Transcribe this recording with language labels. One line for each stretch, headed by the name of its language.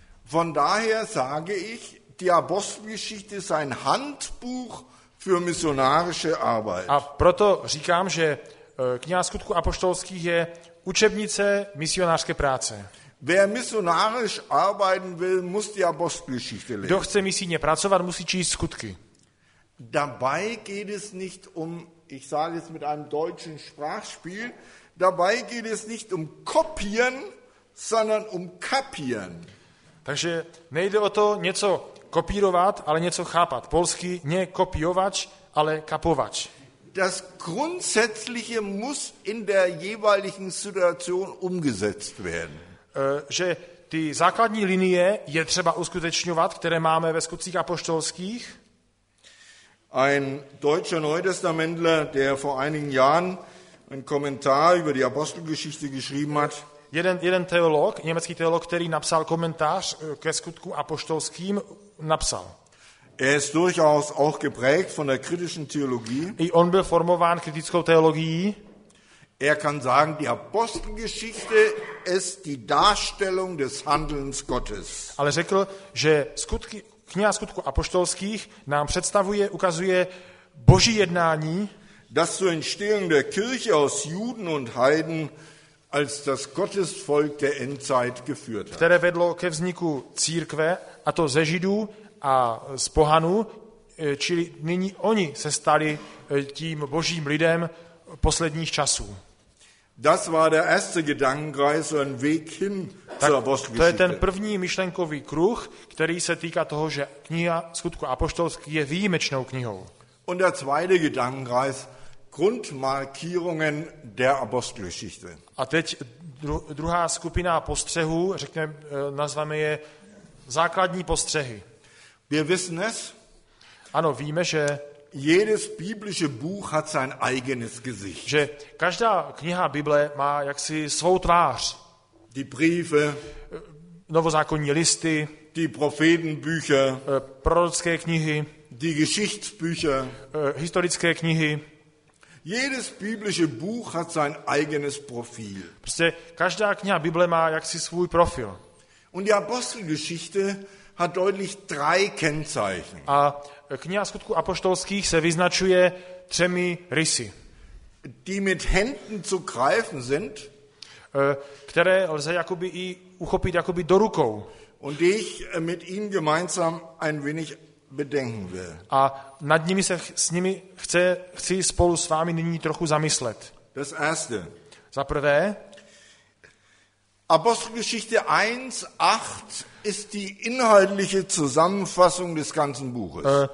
German: Von daher sage ich, die Apostelgeschichte ist ein Handbuch für missionarische Arbeit.
Czech: A proto říkám, že kniha Skutků apoštolských je učebnice misionářské práce.
German: Wer missionarisch arbeiten will, muss die Apostelgeschichte lesen.
Czech: Kdo chce misijně pracovat, musí číst Skutky.
German: Dabei geht es nicht um, ich sage es mit einem deutschen Sprachspiel, dabei geht es nicht um kopieren, sondern um kapieren.
Czech: Takže nejde o to něco kopírovat, ale něco chápat. Polsky ne kopiovač, ale kapovač.
German: Das Grundsätzliche muss in der jeweiligen Situation umgesetzt werden.
Czech: Že ty základní linie je třeba uskutečňovat, které máme ve Skutcích apoštolských.
German: Ein deutscher Neutestamentler, der vor einigen Jahren einen Kommentar über die Apostelgeschichte geschrieben hat.
Czech: Jeden teolog, německý teolog, který napsal komentář ke Skutkům apoštolským, napsal.
German: Er ist durchaus auch geprägt von der kritischen Theologie.
Czech: I on byl formován kritickou teologií.
German: Er kann sagen, die Apostelgeschichte ist die Darstellung des Handelns Gottes.
Czech: Ale řekl, že kniha Skutků apoštolských nám představuje, ukazuje Boží jednání.
German: Das zur Entstehung der Kirche aus Juden und Heiden als das Gottesvolk der Endzeit geführt hat.
Czech: Které vedlo ke vzniku církve, a to ze Židů a z pohanů, čili nyní oni se stali tím Božím lidem posledních časů.
German: Das war der erste Gedankenkreis, ein Weg hin zur Apostelgeschichte.
Czech: To je ten první myšlenkový kruh, který se týká toho, že kniha Skutku apoštolský je výjimečnou knihou.
German: Und der zweite Gedankenkreis, Grundmarkierungen der Apostelgeschichte.
Czech: A teď druhá skupina postřehů, řekněme, nazveme je základní postřehy.
German: Wir wissen es.
Czech: Ano, víme, že
German: jedes biblische Buch hat sein eigenes Gesicht.
Czech: Že každá kniha Bible má jaksi svou tvář.
German: Die Briefe,
Czech: novozákonní listy,
German: die Prophetenbücher,
Czech: prorocké knihy,
German: die Geschichtsbücher,
Czech: historické knihy.
German: Jedes biblische Buch hat sein eigenes Profil.
Czech: Prostě každá kniha Bible má jaksi svůj profil.
German: Und die Apostelgeschichte hat deutlich drei Kennzeichen.
Czech: A kniha Skutků apoštolských se vyznačuje třemi rysy.
German: Die mit Händen zu greifen sind,
Czech: které lze jakoby i uchopit jakoby do rukou.
German: Und ich mit Ihnen gemeinsam ein wenig bedenken will.
Czech: A nad nimi se s nimi chci spolu s vámi nyní trochu zamyslet.
German: Das erste.
Czech: Za prvé.
German: Apostelgeschichte 1:8 ist die inhaltliche Zusammenfassung des ganzen Buches.